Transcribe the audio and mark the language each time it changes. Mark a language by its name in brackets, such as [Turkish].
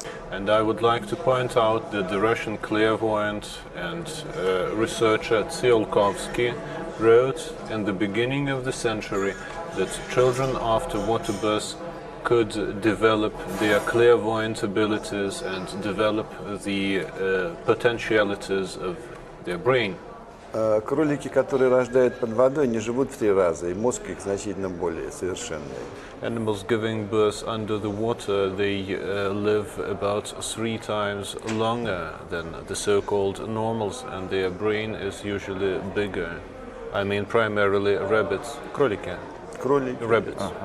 [English] And I would like to point out that the Russian clairvoyant and researcher Tsiolkovsky wrote in the beginning of the century that children after water birth could develop their clairvoyant abilities and develop the potentialities of their brain. [Russian] Кролики, которые рождают под водой, не живут в три раза, и мозг их значительно более совершенный. [English] Animals giving birth under the water, they live about three times longer than the so-called normals, and their brain is usually bigger. I mean, primarily rabbits, кролики. [Russian] Кролики. [English] Rabbits.